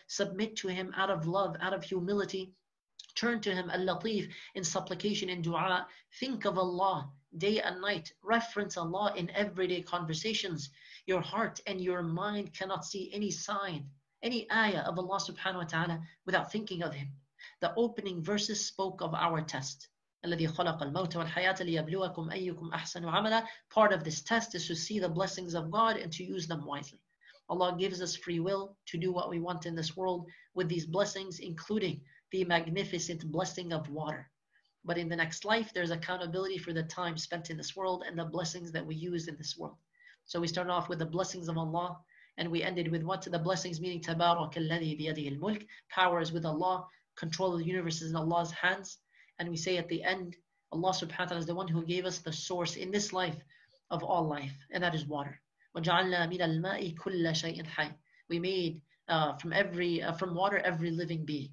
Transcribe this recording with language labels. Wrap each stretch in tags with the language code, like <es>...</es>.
<en>Submit to Him out of love, out of humility. Turn to Him, al-latif, in supplication, in dua. Think of Allah day and night. Reference Allah in everyday conversations. Your heart and your mind cannot see any sign, any ayah of Allah subhanahu wa ta'ala without thinking of Him. The opening verses spoke of our test.</en> <ar>الذي خلق الموت والحياة ليبلوكم أيكم أحسن عملا.</ar> <en>Part of this test is to see the blessings of God and to use them wisely. Allah gives us free will to do what we want in this world with these blessings, including the magnificent blessing of water. But in the next life, there's accountability for the time spent in this world and the blessings that we use in this world. So we start off with the blessings of Allah, and we ended with what? The blessings meaning</en> <ar>تبارك الذي بيده الملك.</ar> <en>Power is with Allah. Control of the universe is in Allah's hands. And we say at the end, Allah subhanahu wa ta'ala is the one who gave us the source in this life of all life, and that is water.</en> <ar>وَجَعَلْنَا مِنَ الْمَاءِ كُلَّ شَيْءٍ حَيٍّ.</ar> <en>We made from water every living being.</en>